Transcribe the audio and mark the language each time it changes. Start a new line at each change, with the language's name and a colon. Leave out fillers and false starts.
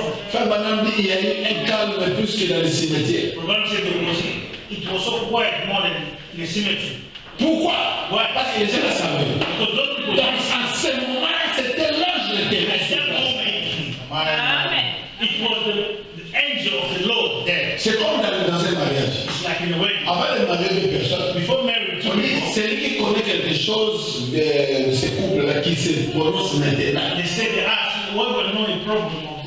French: Frère Branham dit qu'il y a eu un calme plus que dans le cimetière.
English: It was so quiet more than the cemetery.
French: Pourquoi?
English: Why?
French: Parce que les gens le savaient.
English: Because
French: donc en ce moment-là, c'était l'ange de Dieu. Amen.
English: It was the angel of the Lord there.
French: C'est comme dans un mariage.
English: It's like in a wedding.
French: Avant de marier une personne,
English: before marriage,
French: on dit c'est lui qui connaît quelque chose de ce couple-là qui se prononce maintenant.
English: They said they asked, what was the problem of